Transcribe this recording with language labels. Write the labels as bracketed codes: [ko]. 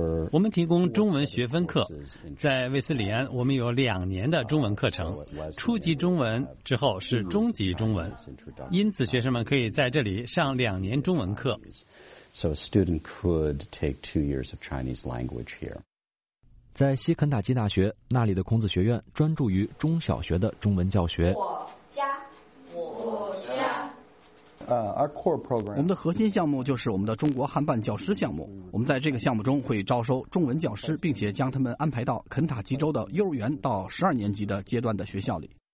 [zh] 我们提供中文学分课，在韦斯里安我们有2年的中文课程，初级中文之后是中级中文，因此学生们可以在这里上2年中文课。 [en] So a student could take 2 years of Chinese language here。 [zh] 在西肯塔基大学，那里的孔子学院专注于中小学的中文教学。我家。我们的核心项目就是我们的中国韩办教师项目。我们在这个项目中会招收中文教师，并且将他们安排到肯塔基州的幼儿园到12年级的阶段的学校里。